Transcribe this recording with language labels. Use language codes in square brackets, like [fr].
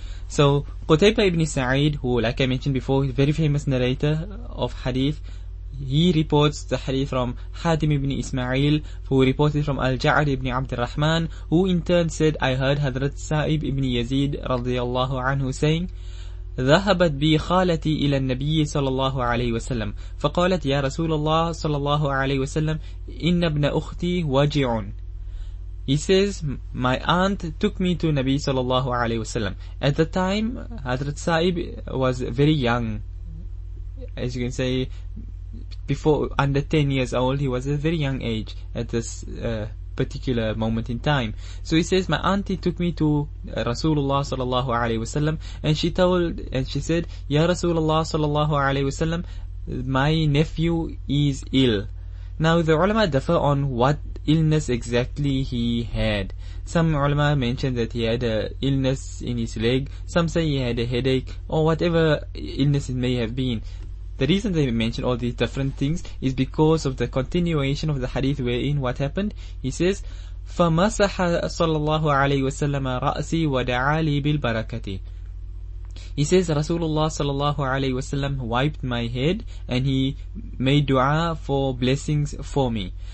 [en] So قتيبة بن سعيد, who like I mentioned before, very famous narrator of hadith, he reports the hadith from حاتم بن إسماعيل, who reported from الجعد بن عبد الرحمن, who in turn said, I heard حضرت سائب بن يزيد رضي الله عنه saying, ذهبت بي خالتي إلى النبي صلى الله عليه وسلم فقالت يا رسول الله صلى الله عليه وسلم إن ابن أختي واجع. He says, my aunt took me to Nabi صلى الله عليه وسلم. At the time, Hadrat Saib was very young. As you can say, before, under 10 years old, he was a very young age at this particular moment in time. So he says, my auntie took me to Rasulullah sallallahu alayhi wa sallam, and she told, and she said, Ya Rasulullah sallallahu alayhi wa sallam, my nephew is ill. Now the ulama differ on what illness exactly he had. Some ulama mentioned that he had a illness in his leg, some say he had a headache, or whatever illness it may have been. The reason they mention all these different things is because of the continuation of the hadith wherein what happened. [ar] He says, فَمَسَحَ صَلَى اللَّهُ عَلَيْهِ وَسَلَّمَ رَأْسِي وَدَعَى لِي بِالْبَرَكَةِ. [en] He says, Rasulullah sallallahu alayhi wasallam wiped my head and he made dua for blessings for me.